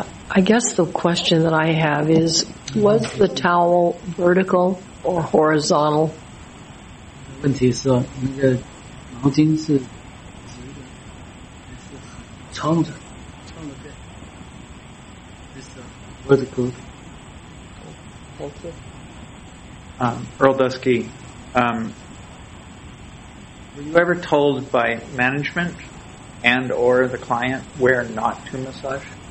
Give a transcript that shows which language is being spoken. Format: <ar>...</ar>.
<en>I guess the question that I have is, was the towel vertical or horizontal?</en> <zh>问题是，那个毛巾是直的，还是长的？</zh> <en>Earl Dusky, were you ever told by management and or the client where not to massage?</en>